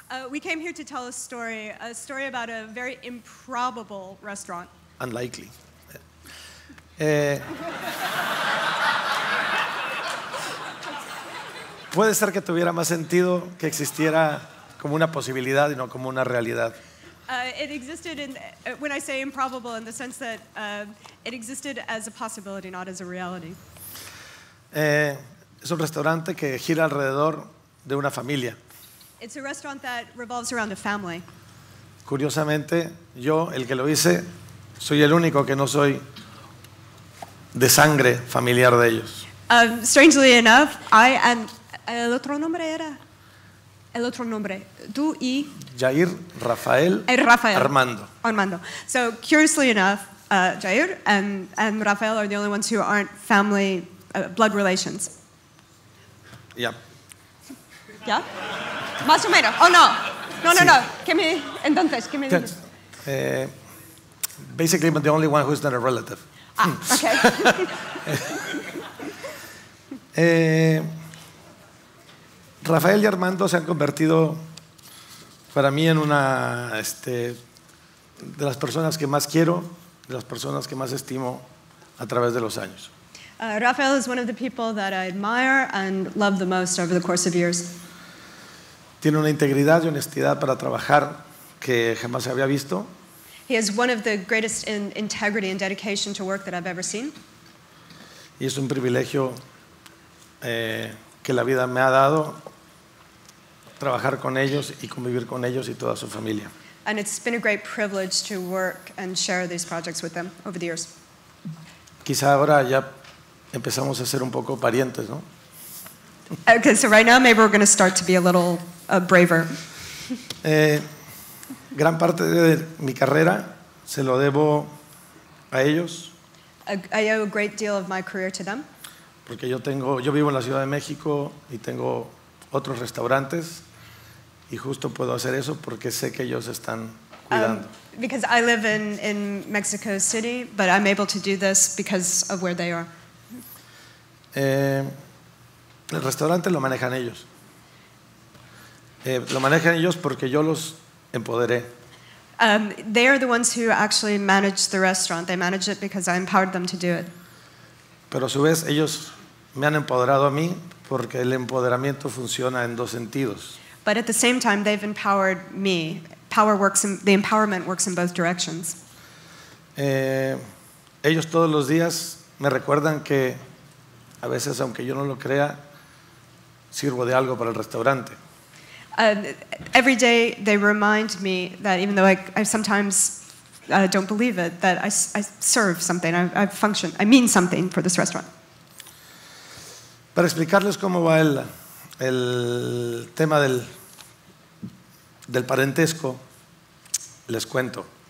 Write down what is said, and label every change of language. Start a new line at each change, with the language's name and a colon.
English: We came here to tell a story about a very improbable restaurant. Unlikely.
Spanish: Puede ser que tuviera más sentido que existiera como una posibilidad y no como una realidad.
English: It existed in, when I say improbable, in the sense that it existed as a possibility, not as a reality.
Spanish: Es un restaurante que gira alrededor de una familia.
English: It's a restaurant that revolves around a family.
Spanish: Curiosamente, yo, el que lo hice, soy el único que no soy de sangre familiar de ellos.
English: Strangely enough, I am...
Spanish: El otro nombre era... El otro nombre. Tú y... Jair Rafael, Rafael Armando. Armando.
English: So, curiously enough, Jair and Rafael are the only ones who aren't family, blood relations. Yeah.
Spanish: Yeah? Más o menos. Oh, no. No, no, sí. No. Que me... Entonces, que me...
English: Basically, I'm the only one who's not a relative. Ah, okay.
Spanish: Rafael y Armando se han convertido para mí en una de las personas que más quiero, de las personas que más estimo a través de los años.
English: Rafael is one of the people that I admire and love the most over the course of years.
Spanish: Tiene una integridad y honestidad para trabajar que jamás se había visto.
English: He has one of the greatest in integrity and dedication to work that I've ever seen.
Spanish: Y es un privilegio que la vida me ha dado trabajar con ellos y convivir con ellos y toda su familia.
English: And it's been a great privilege to work and share these projects with them over the years.
Spanish: Quizá ahora ya empezamos a ser un poco parientes, ¿no?
English: Okay, so right now maybe we're going to start to be a little braver.
Spanish: Gran parte de mi carrera se lo debo a ellos.
English: I owe a great deal of my career to them.
Spanish: Porque yo vivo en la Ciudad de México y tengo otros restaurantes y justo puedo hacer eso porque sé que ellos están cuidando.
English: Because I live in Mexico City, but I'm able to do this because of where they are.
Spanish: El restaurante lo manejan ellos. Lo manejan ellos porque yo los empoderé.
English: They are the ones who actually manage the restaurant. They manage it because I empowered them to do it.
Spanish: Pero a su vez ellos me han empoderado a mí porque el empoderamiento funciona en dos sentidos.
English: But at the same time they've empowered me. Power works in, the empowerment works in both directions.
Spanish: Ellos todos los días me recuerdan que a veces aunque yo no lo crea sirvo de algo para el restaurante.
English: Every day they remind me that even though I sometimes don't believe it, that I serve something, I function, I mean something for this restaurant.
Spanish: Para explicarles cómo va el tema del parentesco, les cuento.